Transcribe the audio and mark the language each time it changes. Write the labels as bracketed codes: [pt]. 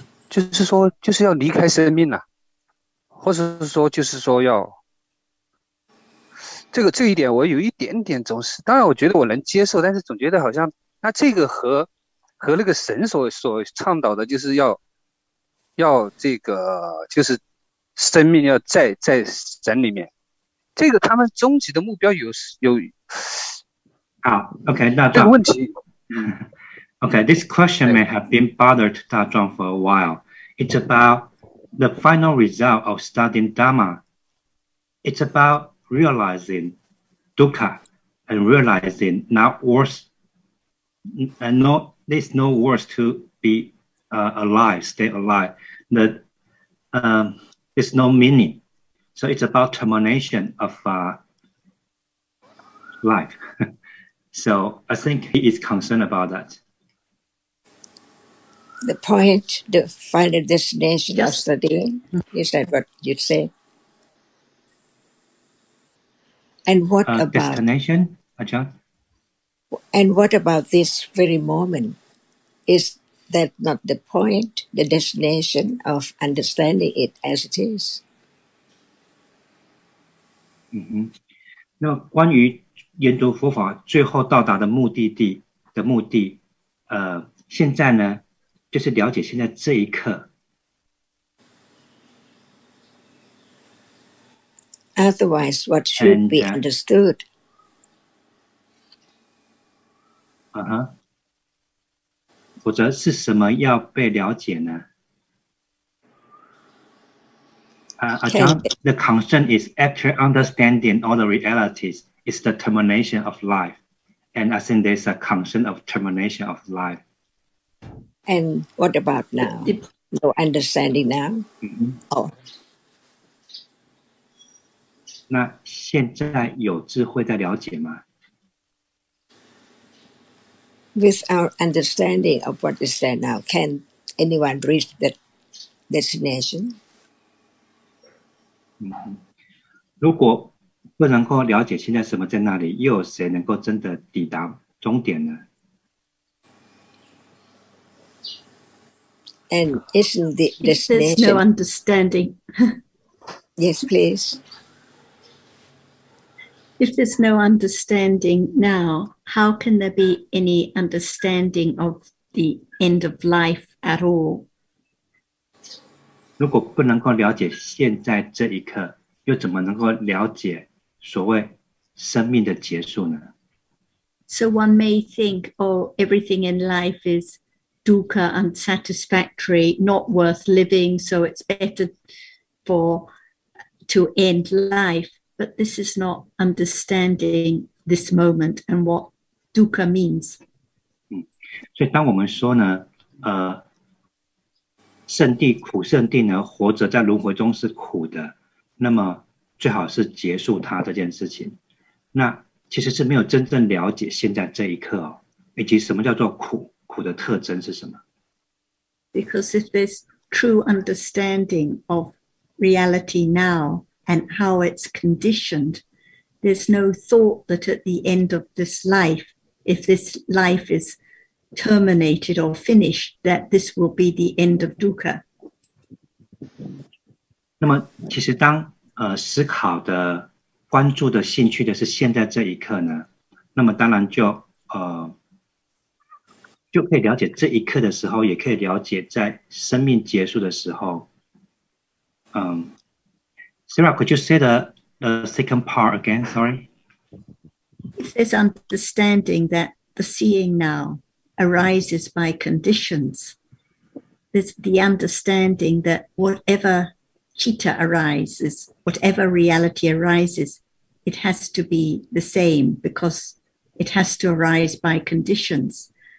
[zh] 就是要离开生命了，或者是说就是说要这一点我有一点点总是，当然我觉得我能接受，但是总觉得好像那这个和那个神所倡导的就是要这个就是生命要在神里面，这个他们终极的目标有好 OK 那这个问题 [en] Okay, this question may have been bothered Da Zhuang for a while. It's about the final result of studying Dharma. It's about realizing dukkha and realizing there's no worse to be alive, stay alive. There's no meaning. So it's about termination of life. So I think he is concerned about that. The point, the final destination of studying, is that what you'd say? And what about... Destination, Ajahn? And what about this very moment? Is that not the point, the destination of understanding it as it is? Mm-hmm. [zh] 那关于研读佛法最后到达的目的地的目的，现在呢就是了解现在这一刻。 [en] Otherwise, what should be understood? Uh-huh. [zh] 否则是什么要被了解呢？ [en] The concern is after understanding all the realities, it's the termination of life. And I think there's a concern of termination of life. And what about now? No understanding now? Mm-hmm. Oh. [zh] 那现在有智慧在了解吗？ [en] With our understanding of what is there now, can anyone reach that destination? [zh] 如果不能够了解现在什么在那里，又有谁能够真的抵达终点呢？ [en] And isn't the destination? There's no understanding. Yes, please. If there's no understanding now, how can there be any understanding of the end of life at all? [zh] 如果不能够了解现在这一刻，又怎么能够了解所谓生命的结束呢？ [en] So one may think, oh, everything in life is. Dukkha unsatisfactory, not worth living, so it's better to end life. But this is not understanding this moment and what dukkha means. [zh] 所以当我们说呢，圣谛苦圣谛呢，活着在轮回中是苦的，那么最好是结束它这件事情。那其实是没有真正了解现在这一刻哦，以及什么叫做苦，苦的特征是什么。 [en] Because if there's true understanding of reality now and how it's conditioned, there's no thought that at the end of this life, if this life is terminated or finished, that this will be the end of dukkha. [zh] 那么其实当思考的关注的兴趣的是现在这一刻呢，那么当然就可以了解这一刻的时候，也可以了解在生命结束的时候。 [en] Sarah, could you say the second part again? Sorry. If there's understanding that the seeing now arises by conditions, there's the understanding that whatever citta arises, whatever reality arises, it has to be the same because it has to arise by conditions.